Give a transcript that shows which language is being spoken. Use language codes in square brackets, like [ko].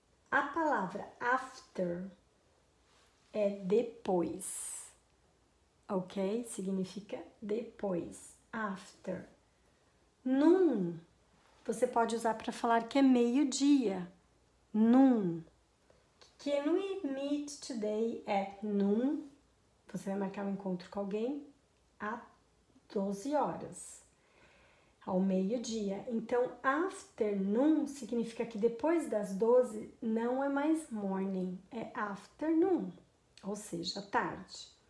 [pt] A palavra after é depois, ok? Significa depois, after. Noon, você pode usar para falar que é meio-dia. [en] Noon. Can we meet today at noon? [pt] Você vai marcar um encontro com alguém às 12 horas. Ao meio-dia. Então, afternoon significa que depois das 12 não é mais morning, é afternoon, ou seja, tarde.